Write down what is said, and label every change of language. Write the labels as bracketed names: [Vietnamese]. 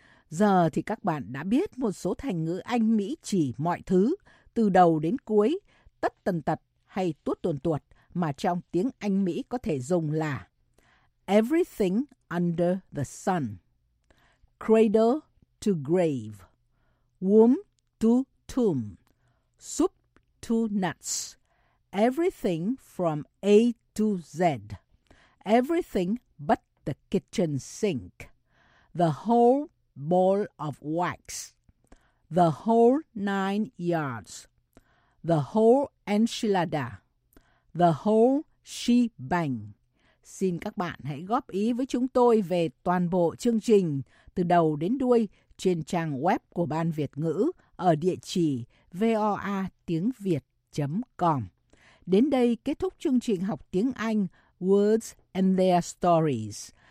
[Vietnamese] Giờ thì các bạn đã biết một số thành ngữ Anh Mỹ chỉ mọi thứ, từ đầu đến cuối, tất tần tật hay tuốt tuồn tuột mà trong tiếng Anh Mỹ có thể dùng là [English] everything under the sun. cradle to grave, womb to tomb, soup to nuts, everything from A to Z, everything but the kitchen sink, the whole ball of wax, the whole 9 yards, the whole enchilada, the whole shebang. [Vietnamese] Xin các bạn hãy góp ý với chúng tôi về toàn bộ chương trình từ đầu đến đuôi trên trang web của Ban Việt ngữ ở địa chỉ voatiengviet.com. Đến đây kết thúc chương trình học tiếng Anh Words and Their Stories.